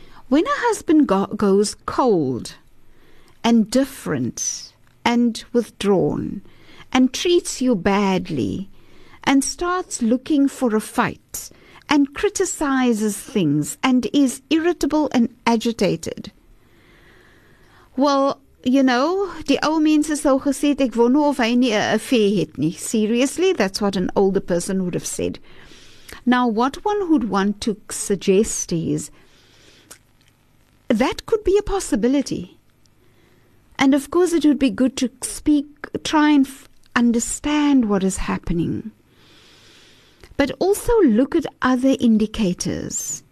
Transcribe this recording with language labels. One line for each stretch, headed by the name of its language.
English: When a husband goes cold and different and withdrawn, and treats you badly, and starts looking for a fight, and criticizes things, and is irritable and agitated. Well, you know,
Afrikaans: die ou mense sal gesê het, ek wonder of hy nie 'n affair het nie.
English: Seriously, that's what an older person would have said. Now, what one would want to suggest is, that could be a possibility. And of course, it would be good to speak, try and understand what is happening, but also look at other indicators.